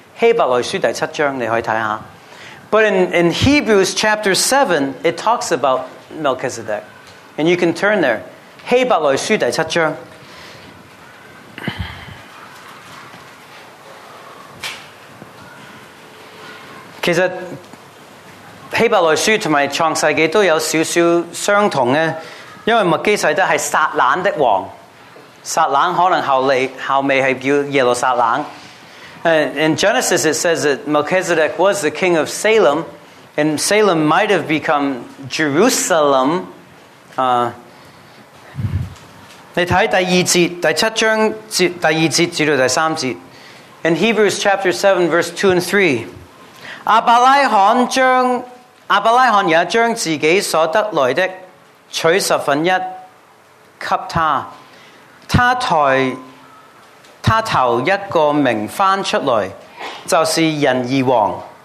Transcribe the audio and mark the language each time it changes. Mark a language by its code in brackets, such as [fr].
[yue] 希伯来书第七章你可以睇下。 [en] But in Hebrews chapter 7, it talks about Melchizedek. And you can turn there. [yue] 希伯来书第七章。其实希伯来书同埋创世纪都有少少相同呢，因为麦基洗德是撒冷的王。撒冷可能后尾是叫耶路撒冷。 [en] In Genesis, it says that Melchizedek was the king of Salem, and Salem might have become Jerusalem. [yue] 你睇第二节，第七章第二节至到第三节。 [en] In Hebrews chapter 7, verse 2 and 3, [yue] 亚伯拉罕也将自己所得来的取十分一给他，他头一个名翻出来，就是仁义王。